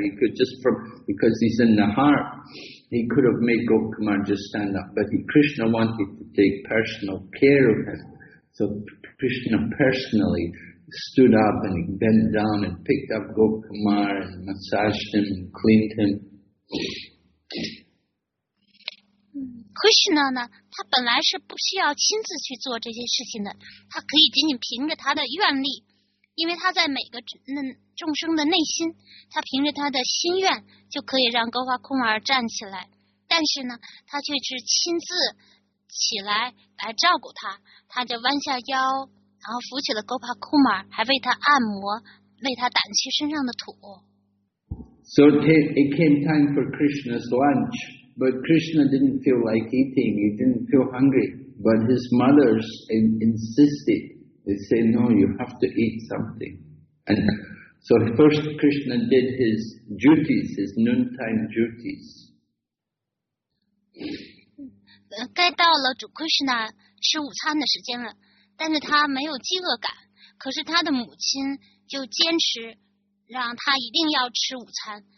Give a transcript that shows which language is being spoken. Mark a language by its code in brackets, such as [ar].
[en] He could just from, because he's in the heart, he could have made Gop Kumar just stand up. But Krishna wanted to take personal care of him. So Krishna personally stood up and bent down and picked up Gop Kumar and massaged him and cleaned him. [zh] Krishna 呢，他本来是不需要亲自去做这些事情的，他可以仅仅凭着他的愿力，因为他在每个众生的内心，他凭着他的心愿就可以让高花空儿站起来。但是呢，他却是亲自起来来照顾他，他就弯下腰，然后扶起了高花空儿，还为他按摩，为他掸去身上的土。 [en] So it came time for Krishna's lunch. But Krishna didn't feel like eating, he didn't feel hungry. But his mothers insisted, they said, no, you have to eat something. And so first Krishna did his duties, his noontime duties. [zh] 该到了主 Krishna 吃午餐的时间了，但是他没有饥饿感，可是他的母亲就坚持让他一定要吃午餐。